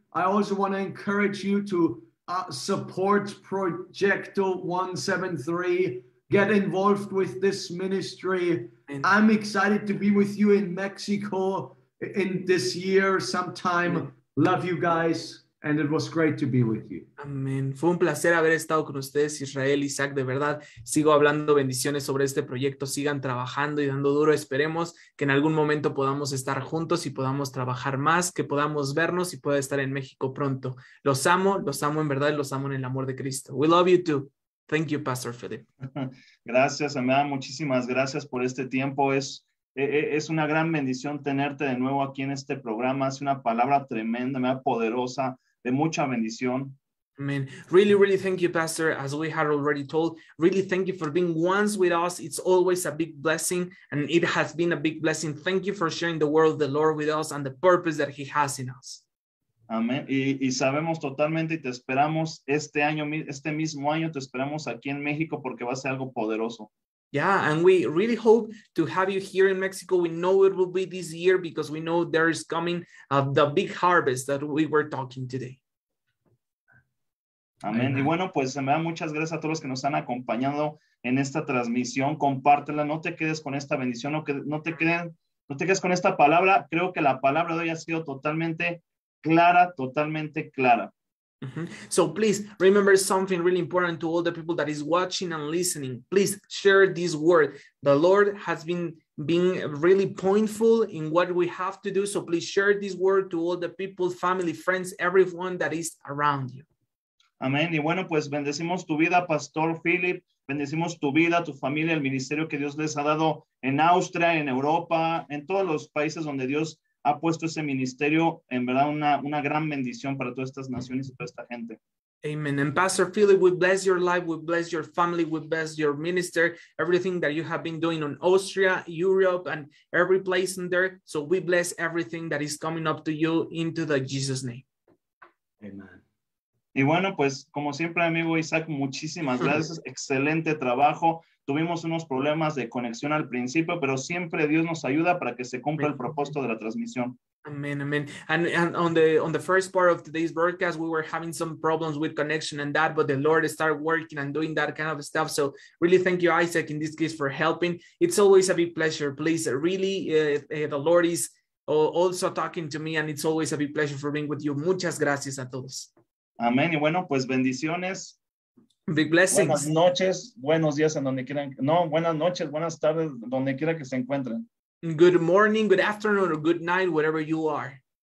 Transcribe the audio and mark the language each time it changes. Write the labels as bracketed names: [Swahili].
[English] I also want to encourage you to support Proyecto 173. Get involved with this ministry. I'm excited to be with you in Mexico in this year sometime. Amen. Love you guys, and it was great to be with you. [Spanish] Amén. Fue un placer haber estado con ustedes, Israel, Isaac, de verdad. Sigo hablando bendiciones sobre este proyecto. Sigan trabajando y dando duro. Esperemos que en algún momento podamos estar juntos y podamos trabajar más, que podamos vernos y pueda estar en México pronto. Los amo en verdad, los amo en el amor de Cristo. [English] We love you too. Thank you, Pastor Philip. [Spanish] Gracias, Amén. Muchísimas gracias por este tiempo. Es una gran bendición tenerte de nuevo aquí en este programa. Es una palabra tremenda, poderosa, de mucha bendición. [English] Amen. Really, really thank you, Pastor, as we had already told. Really thank you for being once with us. It's always a big blessing, and it has been a big blessing. Thank you for sharing the word of the Lord with us and the purpose that he has in us. [Spanish] Amén. Y sabemos totalmente y te esperamos este año, este mismo año, te esperamos aquí en México porque va a ser algo poderoso. [English] Yeah, and we really hope to have you here in Mexico. We know it will be this year because we know there is coming the big harvest that we were talking today. [Spanish] Amén. Y bueno, pues me da muchas gracias a todos los que nos han acompañado en esta transmisión. Compártela, no te quedes con esta bendición, no te quedes con esta palabra. Creo que la palabra de hoy ha sido totalmente clara, totalmente clara. Mm-hmm. [English] So please remember something really important to all the people that is watching and listening. Please share this word. The Lord has been really pointful in what we have to do. So please share this word to all the people, family, friends, everyone that is around you. [Spanish] Amén. Y bueno, pues bendecimos tu vida, Pastor Philip. Bendecimos tu vida, tu familia, el ministerio que Dios les ha dado en Austria, en Europa, en todos los países donde Dios ha puesto ese ministerio, en verdad, una gran bendición para todas estas naciones y toda esta gente. [English] Amen. And Pastor Philip, we bless your life, we bless your family, we bless your minister, everything that you have been doing in Austria, Europe, and every place in there. So we bless everything that is coming up to you into the Jesus name. Amen. [Spanish] Y bueno, pues, como siempre, amigo Isaac, muchísimas gracias. Excelente trabajo. Tuvimos unos problemas de conexión al principio, pero siempre Dios nos ayuda para que se cumpla el propósito de la transmisión. [English] Amen, amen. And on the first part of today's broadcast, we were having some problems with connection and that, but the Lord started working and doing that kind of stuff. So really thank you, Isaac, in this case, for helping. It's always a big pleasure. Please, really, the Lord is also talking to me, and it's always a big pleasure for being with you. [Spanish] Muchas gracias a todos. Amen. Y bueno, pues bendiciones. [English] Big blessings. [Spanish] Buenas noches, buenos días en donde quieran. No, buenas noches, buenas tardes, donde quiera que se encuentren. [English] Good morning, good afternoon, or good night, whatever you are.